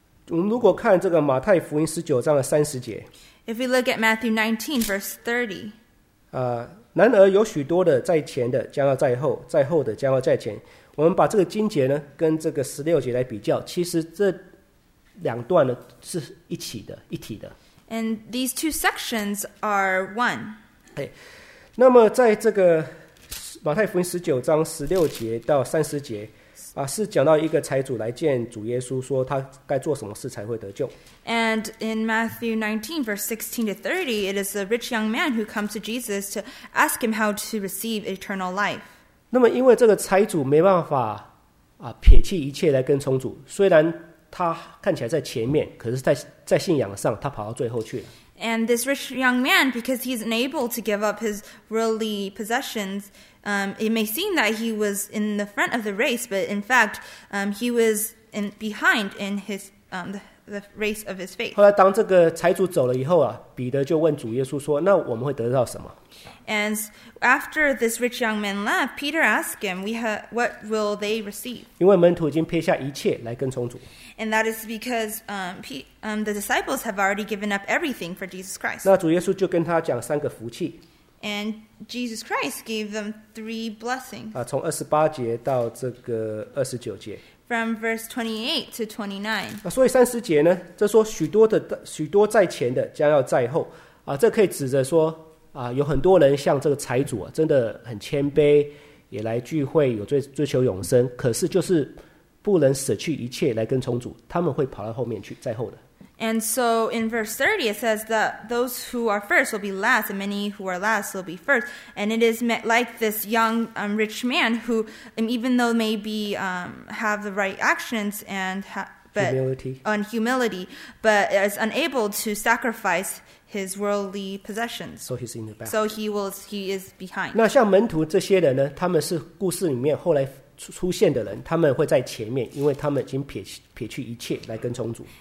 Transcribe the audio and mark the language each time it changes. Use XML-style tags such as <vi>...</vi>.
<zh>我们如果看这个马太福音十九章的三十节。</zh> <en>If we look at Matthew 19, verse 30.</en> <zh>然而有许多的在前的将要在后，在后的将要在前。我们把这个经节呢跟这个十六节来比较，其实这两段呢是一起的，一体的。</zh> <en>And these two sections are one.</en> <zh>Hey, 那么在这个马太福音十九章十六节到三十节，啊，是讲到一个财主来见主耶稣，说他该做什么事才会得救。</zh> <en>And in Matthew 19, verse 16 to 30, it is a rich young man who comes to Jesus to ask him how to receive eternal life.</en> <zh>那么因为这个财主没办法啊撇弃一切来跟从主，虽然他看起来在前面，可是在信仰上他跑到最后去了。</zh> <en>And this rich young man, because he's unable to give up his worldly possessions, it may seem that he was in the front of the race, but in fact, he was behind in his the race of his faith.</en> <zh>后来当这个财主走了以后啊，彼得就问主耶稣说：“那我们会得到什么？”</zh> <en>And after this rich young man left, Peter asked him, "What will they receive?"</en> <zh>因为门徒已经撇下一切来跟从主。</zh> <en>And that is because the disciples have already given up everything for Jesus Christ.</en> <zh>那主耶稣就跟他讲三个福气。</zh> <en>And Jesus Christ gave them three blessings.</en> <zh>啊，从二十八节到这个二十九节。</zh> <en>From verse 28 to 29.</en> <zh>啊，所以三十节呢，这说许多在前的将要在后，啊，这可以指着说有很多人像这个财主、啊、真的很谦卑，也来聚会，有追求永生，可是就是不能舍去一切来跟从主，他们会跑到后面去，在后的。</zh> <en>And so in verse 30, it says that those who are first will be last, and many who are last will be first. And it is like this young rich man who, even though maybe have the right actions and humility, but is unable to sacrifice his worldly possessions. So he's in the back. So he is behind.</en> <zh>那像门徒这些人呢，他们是故事里面后来出现的人，他们会在前面，因为他们已经撇去一切来跟从主。</zh>